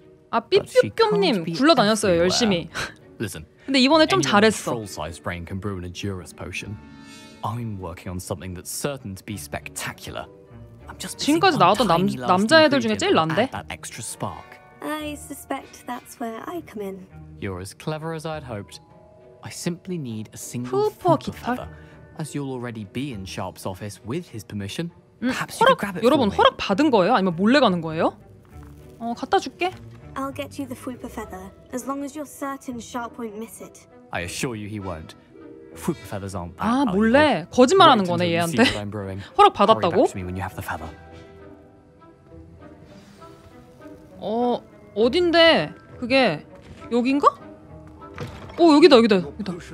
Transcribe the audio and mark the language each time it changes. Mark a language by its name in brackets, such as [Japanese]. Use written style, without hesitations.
[Korean] 아 삐삐뿅님 굴러다녔어요 열심히. [English] Listen. [Korean] 근데 이번에 좀 잘했어. [English] Full size brain can brew an injurious potion. I'm working on something that's certain to be spectacular. [Korean] 지금까지 나왔던 남자애들 중에 제일 난데. [English] I suspect that's where I come in. You're as clever as I'd hoped. I simply need a single feather. As you'll already be in Sharp's office with his permission. Perhaps you could grab it. [Korean] 여러분 허락 받은 거예요? 아니면 몰래 가는 거예요? 어, 갖다 줄게. [English] I'll get you the Fuipa feather as long as you're certain Sharp won't miss it. I assure you he won't. feathers aren't. [Korean] 아 몰래 거짓말하는 거네 얘한테. 허락 받았다고? 어 어딘데 그게 여긴가? 오 여기다 여기다 여기다.